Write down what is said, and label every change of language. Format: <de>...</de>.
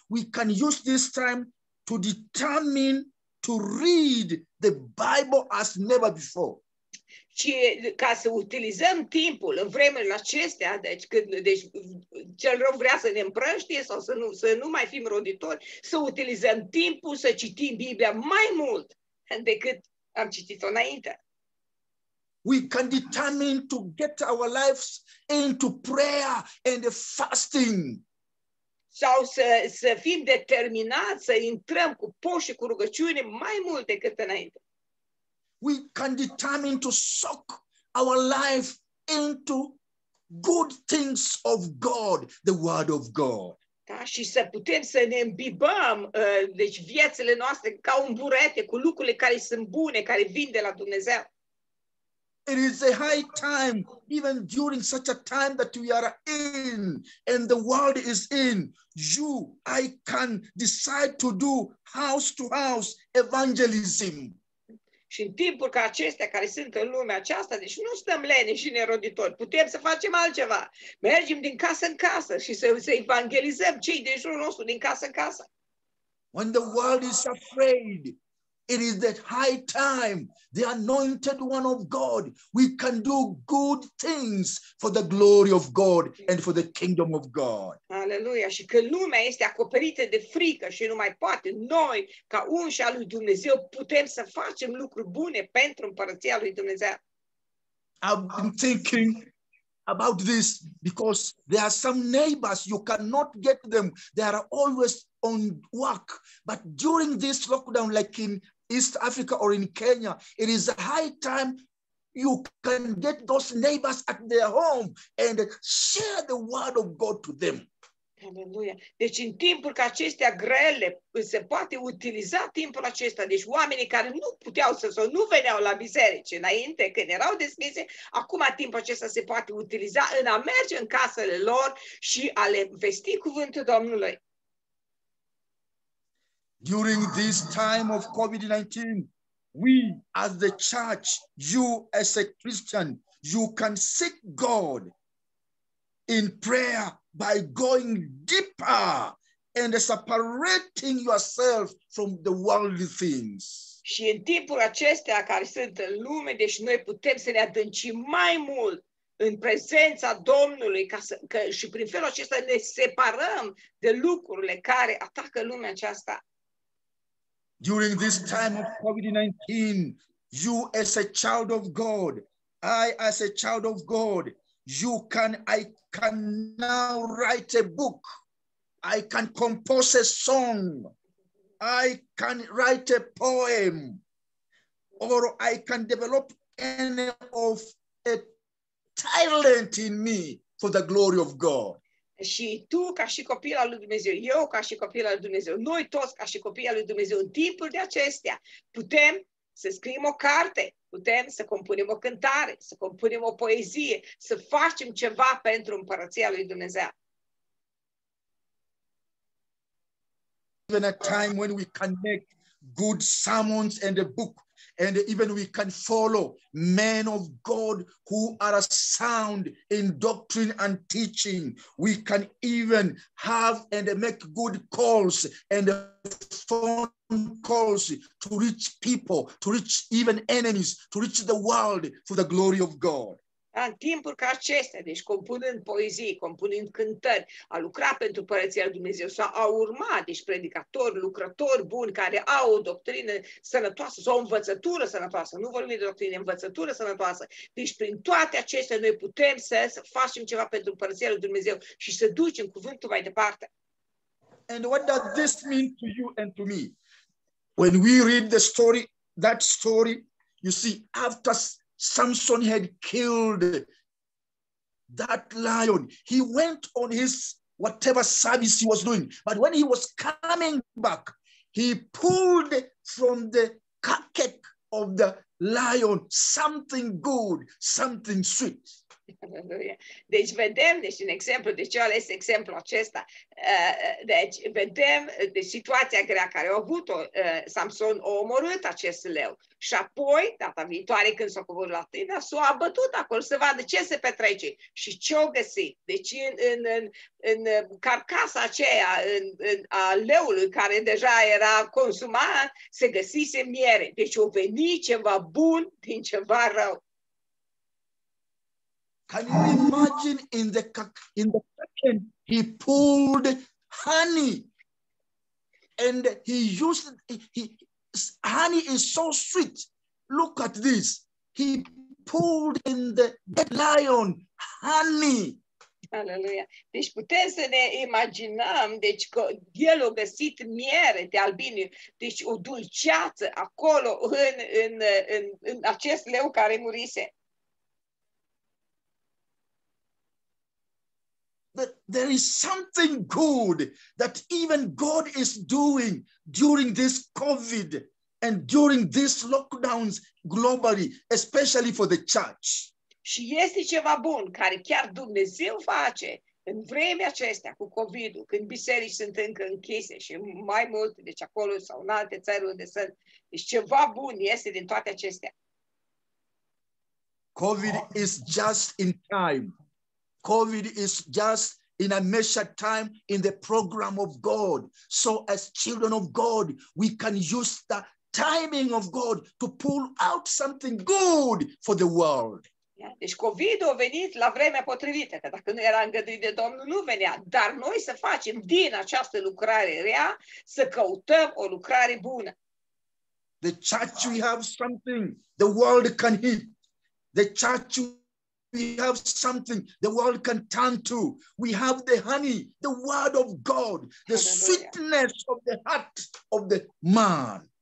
<en>We can use this time to determine to read the Bible as never before.</en> <ro>Și ca să utilizăm timpul în vremurile acestea, deci cel rău vrea să ne împrăștie sau să nu mai fim roditori, să utilizăm timpul să citim Biblia mai mult decât am citit-o înainte.</ro> <en>We can determine to get our lives into prayer and fasting.</en> <ro>Sau să fim determinați să intrăm cu post și cu rugăciune mai mult decât înainte.</ro> <en>We can determine to soak our life into good things of God, the Word of God.</en> <ro>Da, și să putem să ne îmbibăm, deci viețile noastre ca un burete cu lucrurile care sunt bune, care vin de la Dumnezeu.</ro> <en>It is a high time, even during such a time that we are in and the world is in, you, I can decide to do house-to-house evangelism.</en> <ro>Și în timpul ca acestea care sunt în lumea aceasta, deci nu stăm leni și neroditori, putem să facem altceva. Mergem din casă în casă și să evangelizăm cei din jurul nostru din casă în casă.</ro> <en>When the world is afraid, it is that high time, the anointed one of God, we can do good things for the glory of God and for the kingdom of God.</en> <ro>Aleluia! Și când lumea este acoperită de frică și nu mai poate, noi, ca unși al lui Dumnezeu, putem să facem lucruri bune pentru împărăția lui Dumnezeu.</ro> <en>I've been thinking about this because there are some neighbors, you cannot get them. They are always on work. But during this lockdown, like in East Africa or in Kenya, it is a high time you can get those neighbors at their home and share the word of God to them.</en> <ro>Aleluia. Deci în timpul ca acestea grele se poate utiliza timpul acesta. Deci oamenii care nu puteau să sau nu veneau la biserici înainte când erau deschise, acum timpul acesta se poate utiliza în a merge în casele lor și a le vesti cuvântul Domnului.</ro> <en>During this time of COVID-19, we as the church, you as a Christian, you can seek God in prayer by going deeper and separating yourself from the worldly things.</en> <ro>Și în timpul acestea care sunt în lume, deci noi putem să ne adâncim mai mult în prezența Domnului ca să, că, și prin felul acesta ne separăm de lucrurile care atacă lumea aceasta.</ro> <en>During this time of COVID-19, you as a child of God, I as a child of God, I can now write a book. I can compose a song. I can write a poem. Or I can develop any of a talent in me for the glory of God. Și tu ca și copil al lui Dumnezeu, eu ca și copil al lui Dumnezeu, noi toți ca și copil al lui Dumnezeu, în timpul de acestea putem să scriem o carte, putem să compunem o cântare, să compunem o poezie, să facem ceva pentru împărăția lui Dumnezeu. Even a time when we can make good sermons and a book, and even we can follow men of God who are sound in doctrine and teaching, we can even have and make good calls and phone calls to reach people, to reach even enemies, to reach the world for the glory of God.</en> <ro>În timpul ca acestea, deci compunând poezii, compunând cântări, a lucrat pentru părăția lui Dumnezeu sau a urma, deci predicatori, lucrători buni care au o doctrină sănătoasă sau o învățătură sănătoasă, nu vorbim de doctrină, învățătură sănătoasă. Deci prin toate acestea noi putem să facem ceva pentru părăția lui Dumnezeu și să ducem cuvântul mai departe.</ro> <en>And what does this mean to you and to me? When we read the story, that story, you see, after Samson had killed that lion, he went on his whatever service he was doing. But when he was coming back, he pulled from the carcass of the lion something good, something sweet.</en> <ro>Deci vedem, deci un exemplu, deci eu ales exemplul acesta, deci vedem de situația grea care a avut-o, Samson a omorât acest leu și apoi, data viitoare când s-a coborât la tine, s-a abătut acolo să vadă ce se petrece și ce o găsi, deci în carcasa aceea a leului care deja era consumat, se găsise miere, deci a venit ceva bun din ceva rău.</ro> <en>Can you imagine in the kitchen he pulled honey and he used honey is so sweet. Look at this. He pulled in the dead lion honey.</en> <ro>Aleluia. Deci putem să ne imaginăm, deci că el a găsit miere de albine, deci o dulceață acolo în acest leu care murise.</ro> <en>That there is something good that even God is doing during this COVID and during these lockdowns globally, especially for the church.</en> <ro>Și este ceva bun care chiar Dumnezeu face în vremea acestea cu COVID-ul, când biserici sunt încă închise și mai mult, deci acolo sau în alte țări unde sunt. Deci ceva bun este din toate acestea.</ro> <en>COVID is just in time. COVID is just in a measured time in the program of God. So as children of God, we can use the timing of God to pull out something good for the world. Yeah.</en> <ro>Deci COVID a venit la vremea potrivită, că dacă nu era îngăduit de Domnul, nu venea. Dar noi să facem din această lucrare rea, să căutăm o lucrare bună.</ro> <en>The church, we have something the world can hit. The church, we have something the world can turn to. We have the honey, the word of God, the sweetness of the heart of the man.</en>